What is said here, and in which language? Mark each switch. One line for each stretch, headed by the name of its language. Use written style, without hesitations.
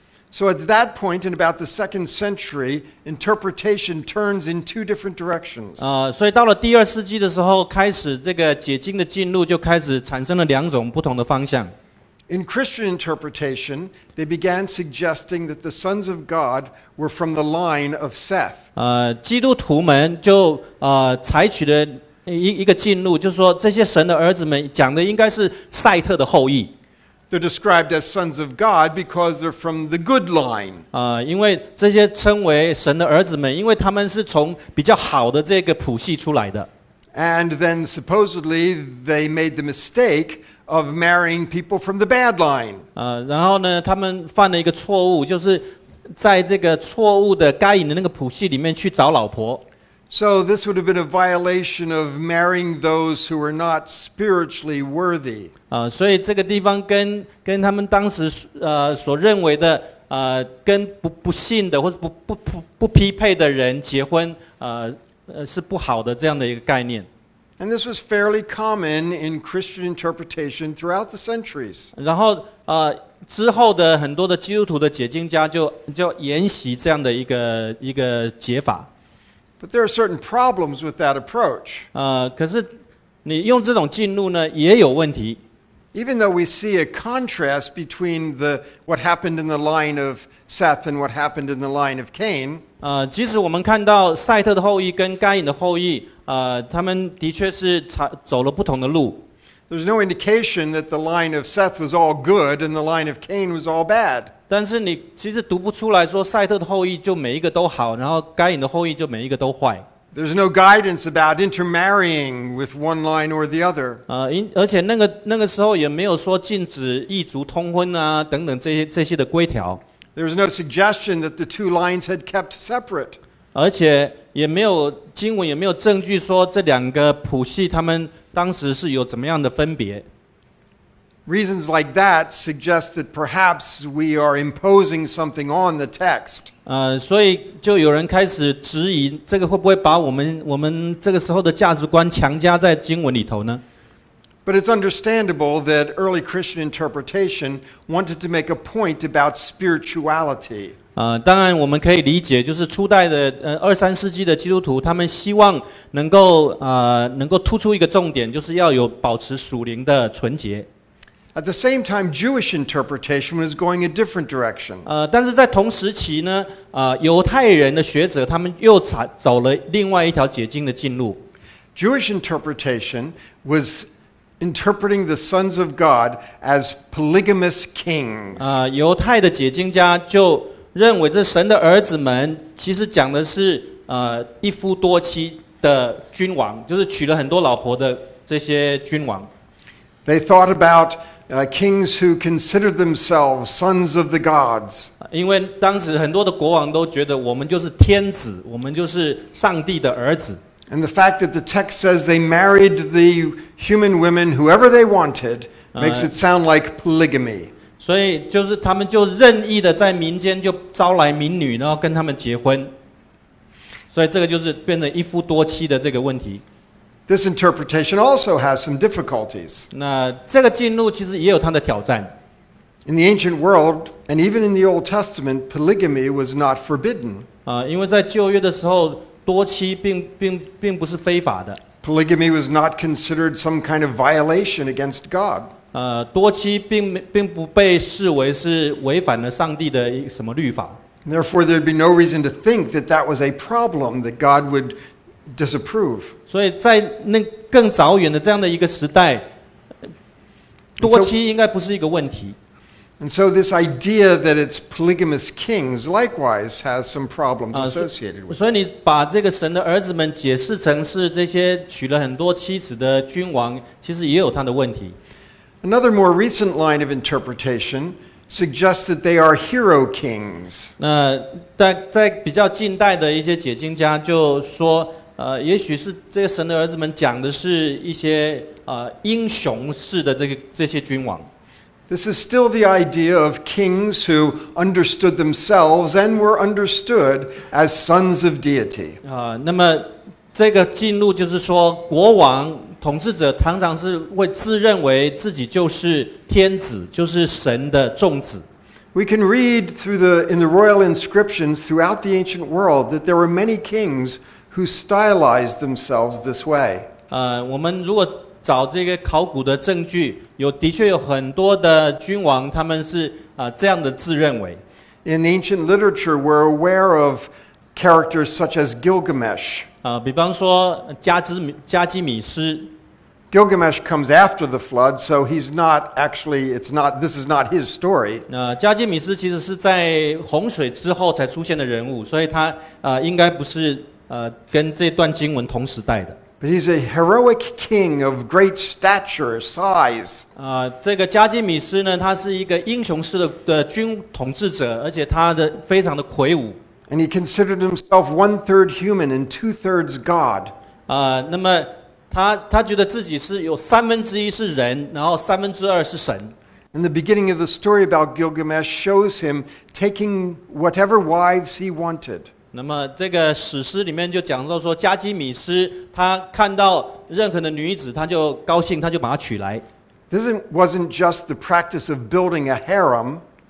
English: So at that point in about the second century, interpretation turns in two different directions.
Chinese: 所以到了第二世纪的时候，开始这个解经的进入就开始产生了两种不同的方向。
English: In Christian interpretation, they began suggesting that the sons of God were from the line of Seth.
Chinese: 基督徒们就采取了一个进路，就是说这些神的儿子们讲的应该是赛特的后裔。
English: They're described as sons of God because they're from the good line.
Chinese: 因为这些称为神的儿子们，因为他们是从比较好的这个谱系出来的。
English: And then supposedly they made the mistake. Of marrying people from the bad line.
Chinese: 然后呢，他们犯了一个错误，就是在这个错误的该隐的那个谱系里面去找老婆。
English: So this would have been a violation of marrying those who were not spiritually worthy.
Chinese: 所以这个地方跟他们当时所认为的跟不信的或者不匹配的人结婚是不好的这样的一个概念。
English: And this was fairly common in Christian interpretation throughout the centuries.
Chinese: 然后之后的很多的基督徒的解经家就沿袭这样的一个解法。
English: But there are certain problems with that approach.
Chinese: 可是你用这种进入呢也有问题。
English: Even though we see a contrast between what happened in the line of Seth and what happened in the line of Cain.
Chinese: 即使我们看到赛特的后裔跟该隐的后裔。他们的确是走了不同的路。
English: There's no indication that the line of Seth was all good and the line of Cain was all bad.
Chinese: 但是你其实读不出来说赛特的后裔就每一个都好，然后该隐的后裔就每一个都坏。
English: There's no guidance about intermarrying with one line or the other.
Chinese: 而且那个时候也没有说禁止异族通婚啊等等这些的规条。
English: There's no suggestion that the two lines had kept separate.
Chinese: 而且也没有经文，也没有证据说这两个谱系他们当时是有怎么样的分别。
English: Reasons like that suggest that perhaps we are imposing something on the text.
Chinese: 所以就有人开始质疑，这个会不会把我们这个时候的价值观强加在经文里头呢？
English: But it's understandable that early Christian interpretation wanted to make a point about spirituality.
Chinese: 当然我们可以理解，就是初代的二三世纪的基督徒，他们希望能够突出一个重点，就是要有保持属灵的纯洁。
English: At the same time, Jewish interpretation was going a different direction.
Chinese: 但是在同时期呢，犹太人的学者他们又走了另外一条解经的进路。
English: Jewish interpretation was. Interpreting the sons of God as polygamous kings.
Chinese: 犹太的解经家就认为这神的儿子们其实讲的是一夫多妻的君王，就是娶了很多老婆的这些君王。
English: They thought about kings who considered themselves sons of the gods.
Chinese: 因为当时很多的国王都觉得我们就是天子，我们就是上帝的儿子。
English: And the fact that the text says they married the human women, whoever they wanted, makes it sound like polygamy.
Chinese: 所以就是他们就任意的在民间就招来民女，然后跟他们结婚。所以这个就是变成一夫多妻的这个问题。
English: This interpretation also has some difficulties.
Chinese: 那这个进入其实也有它的挑战。
English: In the ancient world, and even in the Old Testament, polygamy was not forbidden.
Chinese: 因为在旧约的时候，多妻并不是非法的。
English: Polygamy was not considered some kind of violation against God.
Chinese: 多妻并不被视为是违反了上帝的什么律法。
English: Therefore, there'd be no reason to think that that was a problem that God would disapprove.
Chinese: 所以在那更早远的这样的一个时代，多妻应该不是一个问题。
English: And so this idea that it's polygamous kings likewise has some problems associated with it.
Chinese: 所以你把这个神的儿子们解释成是这些娶了很多妻子的君王，其实也有他的问题。
English: Another more recent line of interpretation suggests that they are hero kings.
Chinese: 在比较近代的一些解经家就说，也许是这个神的儿子们讲的是一些英雄式的这些君王。
English: This is still the idea of kings who understood themselves and were understood as sons of deity.
Chinese: 那么这个进入就是说，国王统治者常常是会自认为自己就是天子，就是神的众子。
English: We can read through in the royal inscriptions throughout the ancient world that there were many kings who stylized themselves this way.
Chinese: 我们如果找这个考古的证据，的确有很多的君王，他们是这样的自认为。
English: In ancient literature, we're aware of characters such as Gilgamesh.
Chinese: 比方说加基米斯。
English: Gilgamesh comes after the flood, so he's not actually. It's not. This is not his story.
Chinese: 加基米斯其实是在洪水之后才出现的人物，所以他应该不是跟这段经文同时代的。
English: But he's a heroic king of great stature, size.
Chinese: 这个加基米斯呢，他是一个英雄式的君统治者，而且他的非常的魁梧。
English: And he considered himself one third human and two thirds god.
Chinese: 那么他觉得自己是有三分之一是人，然后三分之二是神。
English: And the beginning of the story about Gilgamesh shows him taking whatever wives he wanted.
Chinese: 那么这个史诗里面就讲到说，加基米斯他看到任何的女子，他就高兴，他就把她娶来。
English: This wasn't just the practice of building a harem.